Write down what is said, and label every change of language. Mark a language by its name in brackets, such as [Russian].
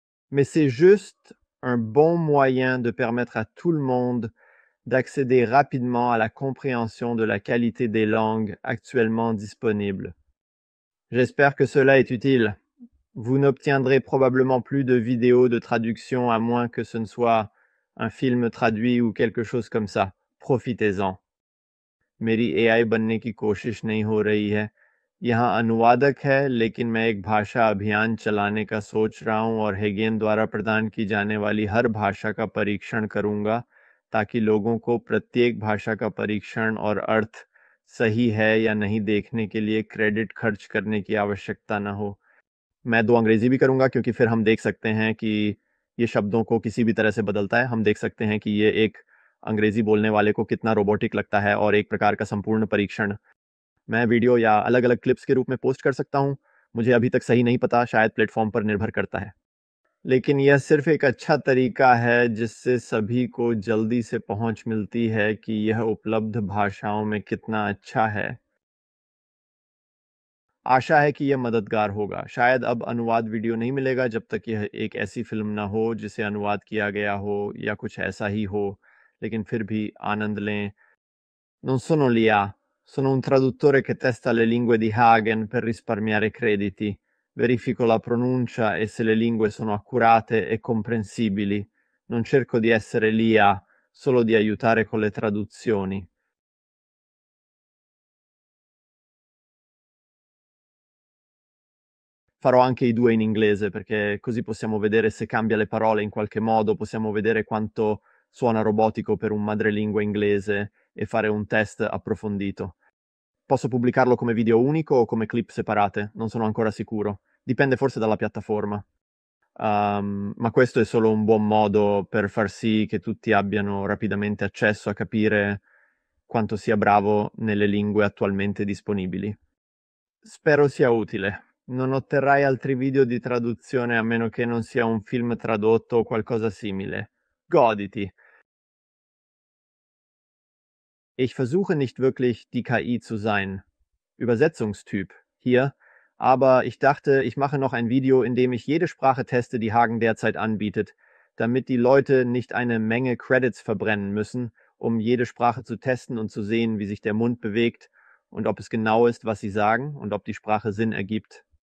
[French] Mais c'est juste un bon moyen de permettre à tout le monde d'accéder rapidement à la compréhension de la qualité des langues actuellement disponibles. J'espère que cela est utile. Vous n'obtiendrez probablement plus de vidéos de traduction à moins que ce ne soit un film traduit ou quelque chose comme ça. Profitez-en. [Hindi] मेरी AI बनने की कोशिश नहीं हो रही है। यहाँ अनुवादक है, लेकिन मैं एक भाषा अभियान चलाने का सोच रहा हूँ और हेगेन द्वारा प्रदान की जाने वाली हर भाषा का परीक्षण करूँगा, ताकि लोगों को प्रत्येक भाषा का परीक्षण और अर्थ सही है या नहीं देखने के लिए क्रेडिट खर्च करने की आवश्यकता न हो। मैं दो अंग्रेजी भी करूँगा, क्योंकि फिर हम देख सकते हैं कि ये शब्दों को किसी भी तरह से बदलता है। हम देख सकते हैं कि ये एक अंग्रेजी बोलने वाले को कितना रोबोटिक लगता है, और एक प्रकार का संपूर्ण परीक्षण मैं वीडियो या अलग अलग क्लिप्स के रूप में पोस्ट कर सकता हूँ। मुझे अभी तक सही नहीं पता, शायद प्लेटफॉर्म पर निर्भर करता है। लेकिन यह सिर्फ एक अच्छा तरीका है जिससे सभी को जल्दी से पहुंच मिलती है कि यह उपलब्ध भाषाओं में कितना अच्छा है। आशा है कि यह मददगार होगा। शायद अब अनुवाद वीडियो नहीं मिलेगा जब तक यह एक ऐसी फिल्म ना हो जिसे अनुवाद किया गया हो, या कुछ ऐसा ही हो, लेकिन फिर भी आनंद लें। [Italian] Non sono l'IA, sono un traduttore che testa le lingue di Hagen per risparmiare crediti. Verifico la pronuncia e se le lingue sono accurate e comprensibili. Non cerco di essere l'IA, solo di aiutare con le traduzioni. Farò anche i due in inglese, perché così possiamo vedere se cambia le parole in qualche modo, possiamo vedere quanto suona robotico per un madrelingua inglese e fare un test approfondito. Posso pubblicarlo come video unico o come clip separate? Non sono ancora sicuro. Dipende forse dalla piattaforma. Ma questo è solo un buon modo per far sì che tutti abbiano rapidamente accesso a capire quanto sia bravo nelle lingue attualmente disponibili. Spero sia utile. Non otterrai altri video di traduzione a meno che non sia un film tradotto o qualcosa simile. Goditi! [German] Ich versuche nicht wirklich die KI zu sein. Übersetzungstyp hier. Aber ich dachte, ich mache noch ein Video, in dem ich jede Sprache teste, die Hagen derzeit anbietet, damit die Leute nicht eine Menge Credits verbrennen müssen, um jede Sprache zu testen und zu sehen, wie sich der Mund bewegt und ob es genau ist, was sie sagen und ob die Sprache Sinn ergibt.